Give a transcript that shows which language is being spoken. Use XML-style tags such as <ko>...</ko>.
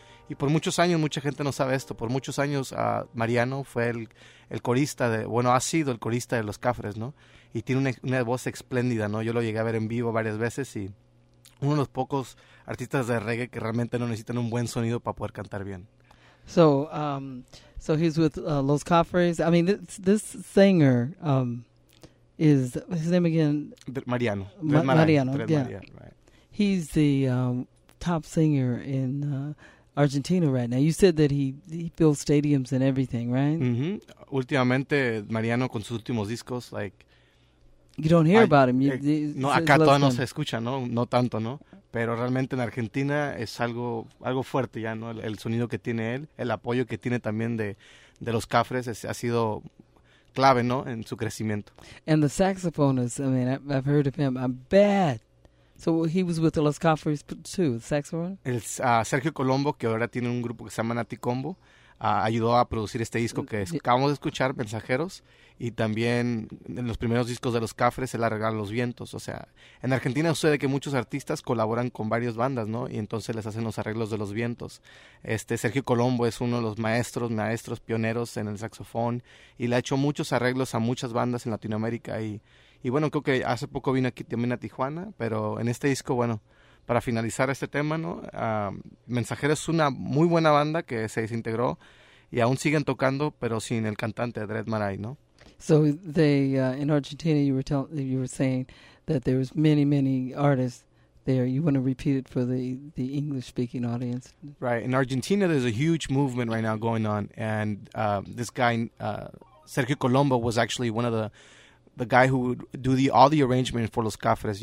<es>Y por muchos años, mucha gente no sabe esto, por muchos años Mariano fue el corista de, bueno, ha sido el corista de Los Cafres, ¿no? Y tiene una voz espléndida, ¿no? Yo lo llegué a ver en vivo varias veces y uno de los pocos artistas de reggae que realmente no necesitan un buen sonido para poder cantar bien.</es> <en>So, so he's with Los Cafres. I mean, this singer is his name again? Mariano. Mariano. Yeah. Maria, right. He's the top singer in Argentina right now. You said that he fills stadiums and everything, right?</en> <es>Mm-hmm. Últimamente, Mariano con sus últimos discos, like</es> <en>you don't hear about him.</en> <es>No, acá todavía no se escucha, ¿no? No tanto, ¿no? Pero realmente en Argentina es algo fuerte ya, ¿no? El sonido que tiene él, el apoyo que tiene también de Los Cafres ha sido clave, ¿no? En su crecimiento.</es> <en>And the saxophonist, I mean, I've heard of him. I'm bad. So he was with the Los Cafres too, the saxophone?</en> <es>Sergio Colombo, que ahora tiene un grupo que se llama Nati Combo, ayudó a producir este disco que acabamos de escuchar, Mensajeros, y también en los primeros discos de Los Cafres, él arregló Los Vientos. O sea, en Argentina sucede que muchos artistas colaboran con varias bandas, ¿no? Y entonces les hacen los arreglos de Los Vientos. Sergio Colombo es uno de los maestros pioneros en el saxofón y le ha hecho muchos arreglos a muchas bandas en Latinoamérica. Y bueno, creo que hace poco vino aquí también a Tijuana, pero en este disco, bueno, para finalizar este tema, ¿no? Mensajeros es una muy buena banda que se desintegró y aún siguen tocando, pero sin el cantante Dread Marai, ¿no?</es> <en>So they in Argentina, you were saying that there was many artists there. You want to repeat it for the English speaking audience, right? In Argentina, there's a huge movement right now going on, and this guy Sergio Colombo was actually one of the guy who would do all the arrangement for Los Cafres.</en>